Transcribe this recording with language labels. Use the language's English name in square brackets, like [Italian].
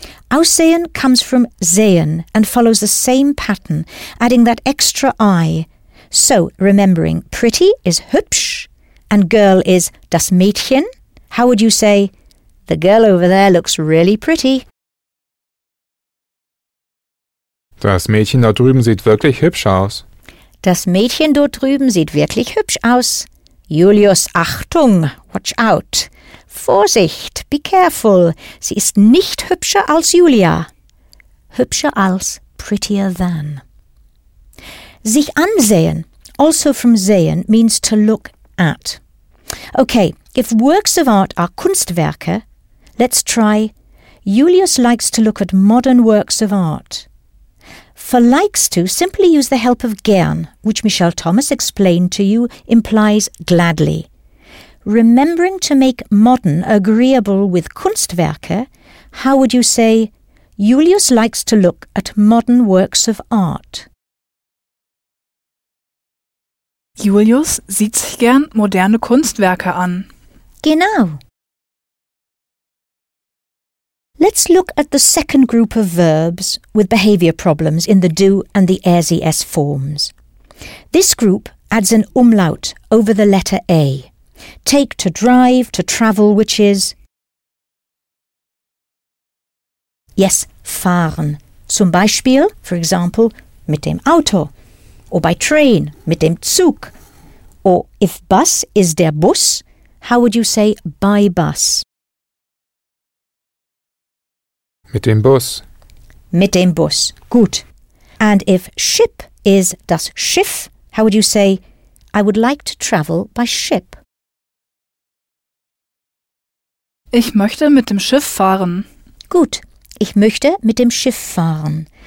[English] Aussehen comes from sehen and follows the same pattern, adding that extra I. So, remembering pretty is hübsch and girl is das Mädchen, how would you say, the girl over there looks really pretty? [German] Das Mädchen da drüben sieht wirklich hübsch aus. Das Mädchen dort drüben sieht wirklich hübsch aus. [English] Julius, Achtung! Watch out! Vorsicht! Be careful! [German] Sie ist nicht hübscher als Julia. [English] Hübscher als, prettier than. Sich ansehen, also from sehen, means to look at. Okay, if works of art are Kunstwerke, let's try Julius likes to look at modern works of art. For likes to, simply use the help of gern, which Michelle Thomas explained to you implies gladly. Remembering to make modern agreeable with Kunstwerke, how would you say Julius likes to look at modern works of art? [German] Julius sieht sich gern moderne Kunstwerke an. Genau. [English] Let's look at the second group of verbs with behavior problems in the do and the RZS forms. This group adds an umlaut over the letter A. Take to drive, to travel, which is... Yes, fahren. [German] Zum Beispiel, [English] for example, [German] mit dem Auto. [English] Or by train, [German] mit dem Zug. [English] Or if bus is der Bus, how would you say by bus? [German] Mit dem Bus. Mit dem Bus. Gut. [English] And if ship is das Schiff, how would you say, I would like to travel by ship? [German] Ich möchte mit dem Schiff fahren. Gut. Ich möchte mit dem Schiff fahren.